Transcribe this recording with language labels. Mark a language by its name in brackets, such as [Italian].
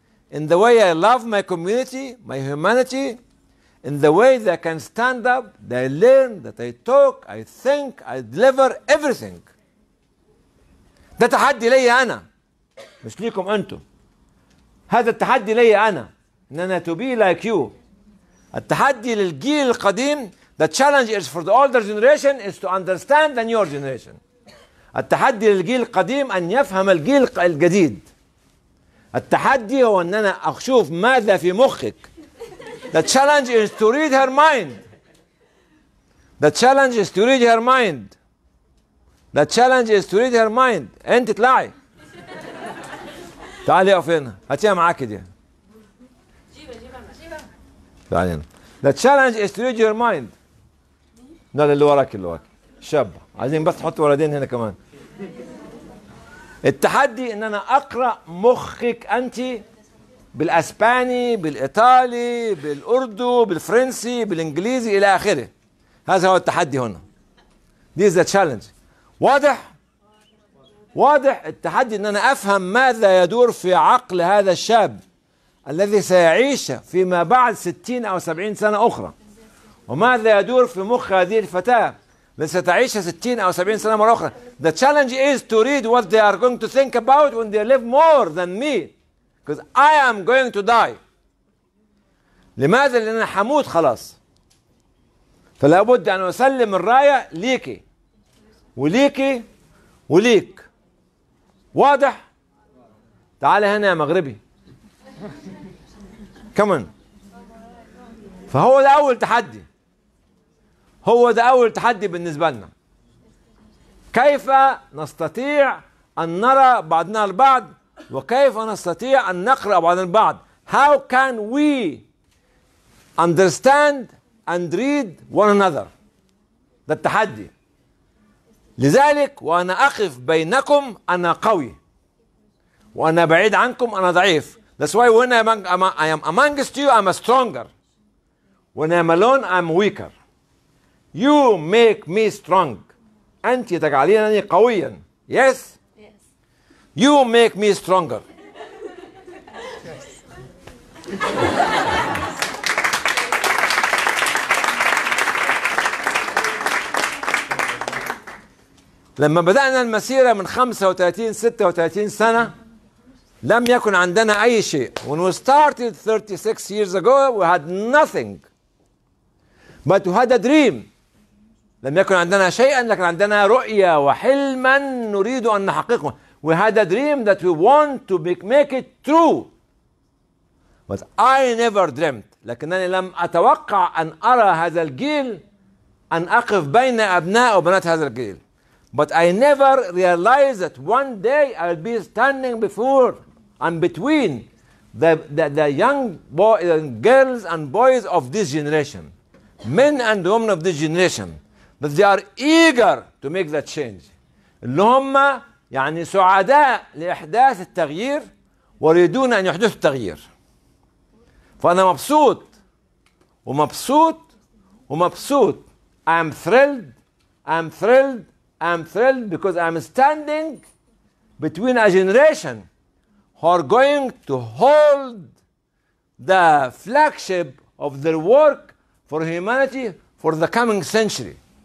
[English] In the way I love my community, my humanity, in the way that I can stand up, that I learn, that I talk, I think, I deliver everything. [Arabic] ده تحدي لي أنا. مش ليكم أنتم. هذا التحدي لي أنا. إن أنا [English] to be like you. [Arabic] التحدي للجيل القديم. [English] The challenge is for the older generation is to understand the newer generation. [Arabic] التحدي للجيل القديم أن يفهم الجيل الجديد. التحدي هو أن أنا أشوف ماذا في مخك. [English] The challenge is to read her mind. The challenge is to read her mind. The challenge is to read her mind. [Arabic] أنت طلعي. تعالي أقف هنا. هاتيها معاك دي. جيبها. تعالي هنا. [English] The challenge is to read your mind. [Arabic] لا لا اللي وراك اللي وراك. شاب. عايزين بس تحط ولدين هنا كمان. التحدي إن أنا أقرأ مخك أنت بالأسباني، بالإيطالي، بالأردو، بالفرنسي، بالإنجليزي إلى آخره. هذا هو التحدي هنا. [English] This is the challenge. [Arabic] واضح؟ واضح التحدي إن أنا أفهم ماذا يدور في عقل هذا الشاب الذي سيعيش فيما بعد 60 أو 70 سنة أخرى. وماذا يدور في مخ هذه الفتاة التي ستعيش 60 أو 70 سنة مرة أخرى. [English] The challenge is to read what they are going to think about when they live more than me. Because I am going to die. [Arabic] لماذا؟ لأن حموت خلاص. فلا بد أن أسلم الراية ليكي وليكي وليك. واضح؟ تعال هنا يا مغربي. [English] Come on. [Arabic] فهو ده أول تحدي. هو ده أول تحدي بالنسبة لنا. كيف نستطيع أن نرى بعضنا البعض؟ وكيف نستطيع أن نقرأ بعض البعض؟ [English] How can we understand and read one another? [Arabic] ده التحدي. لذلك وأنا أقف بينكم أنا قوي وأنا بعيد عنكم أنا ضعيف. [English] That's why when I am amongst you I'm stronger. When I'm alone I'm weaker. You make me strong. [Arabic] أنت تجعلينني قويا. [English] Yes. You make me stronger. [Arabic] لما بدأنا المسيرة من 35-36 سنة لم يكن عندنا أي شيء. [English] When we started 36 years ago, we had nothing. But we had a dream. [Arabic] لم يكن عندنا شيئا لكن عندنا رؤية وحلما نريد أن نحققه. [English] We had a dream that we want to make it true. But I never dreamt. [Arabic] لكنني لم أتوقع أن أرى هذا الجيل أن أقف بين أبناء وبنات هذا الجيل. [English] But I never realized that one day I'll be standing before and between the young boy and girls and boys of this generation, men and women of this generation, that they are eager to make that change. [Arabic] اللهم يعني سعداء لإحداث التغيير ويريدون أن يحدث التغيير. فأنا مبسوط ومبسوط ومبسوط. [English] I'm thrilled, I'm thrilled, I'm thrilled because I'm standing between a generation who are going to hold the flagship of their work for humanity for the coming century.